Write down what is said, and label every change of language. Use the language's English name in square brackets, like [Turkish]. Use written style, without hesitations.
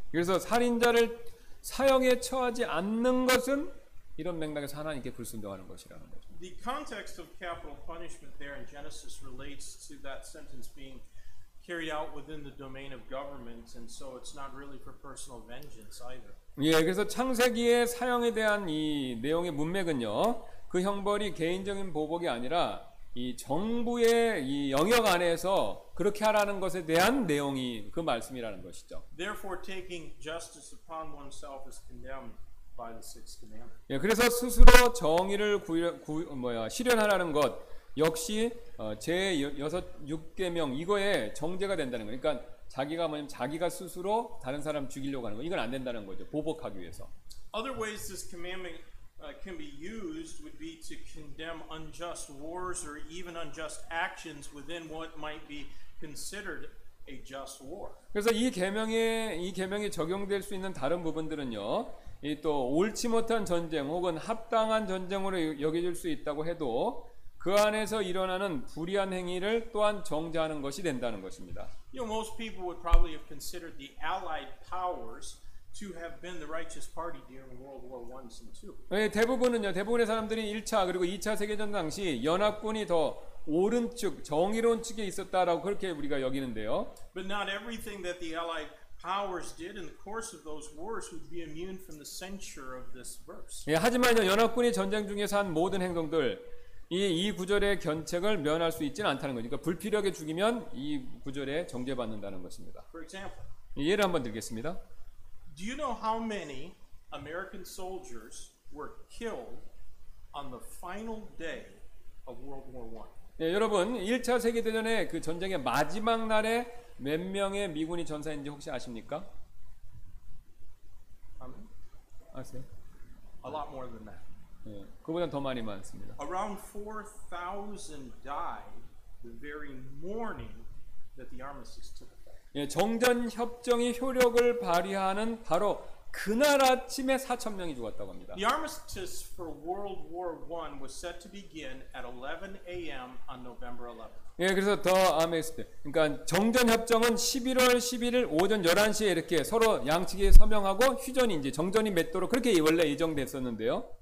[Korean] 그래서 살인자를 사형에 처하지 않는 것은 이런 맥락에서 하나님께 불순종하는 것이라는 거죠. [English] The context of capital punishment there in Genesis relates to that sentence being carried out within the domain of government, and so it's not really for personal vengeance either. [Korean] 예, 그래서 창세기의 사형에 대한 이 내용의 문맥은요, 그 형벌이 개인적인 보복이 아니라 이 정부의 이 영역 안에서 그렇게 하라는 것에 대한 내용이 그 말씀이라는 것이죠. [English] Therefore, taking justice upon oneself is condemned by the sixth commandment. [Korean] 예, 그래서 스스로 정의를 실현하라는 것 역시 제 여섯 육계명 이거에 정죄가 된다는 거니까 그러니까 자기가 뭐냐면 자기가 스스로 다른 사람 죽이려고 하는 거 이건 안 된다는 거죠 보복하기 위해서. [English] Other ways this commandment can be used would be to condemn unjust wars or even unjust actions within what might be considered a just war. [Korean] 그래서 이 계명에 적용될 수 있는 다른 부분들은요. 이 또 옳지 못한 전쟁 혹은 합당한 전쟁으로 여겨질 수 있다고 해도 그 안에서 일어나는 불의한 행위를 또한 정죄하는 것이 된다는 것입니다. [English] You know, most people would probably have considered the Allied powers to have been the righteous party during World War 1 and 2. [Korean] 네, 대부분은요. 대부분의 사람들이 1차 그리고 2차 세계전 당시 연합군이 더 오른쪽, 정의로운 측에 있었다라고 그렇게 우리가 여기는데요. [English] But not everything that the Allied powers did in the course of those wars would be immune from the censure of this verse. [Korean] 예, 하지만요. 연합군이 전쟁 중에서 한 모든 행동들 이 구절의 견책을 면할 수 있지는 않다는 거니까 불필요하게 죽이면 이 구절에 정죄받는다는 것입니다. [English] For example, [Korean] 예를 한번 드리겠습니다. [English] Do you know how many American soldiers were killed on the final day of World War 1? [Korean] 예, 여러분, 1차 세계 대전의 그 전쟁의 마지막 날에 몇 명의 미군이 전사했는지 혹시 아십니까? 아세요? [English] A lot more than that. [Korean] 예, 그보다 더 많이 많습니다. [English] Around 4,000 died the very morning that the armistice took effect. [Korean] 예, 정전 협정이 효력을 발휘하는 바로 그날 아침에 4,000명이 죽었다고 합니다. [English] The armistice for World War 1 was set to begin at 11 a.m. on November 11th. [Korean] 예, 그래서 더 아메스. 그러니까 정전 협정은 11월 11일 오전 11시에 이렇게 서로 양측이 서명하고 휴전이 이제 정전이 맺도록 그렇게 원래 예정됐었는데요.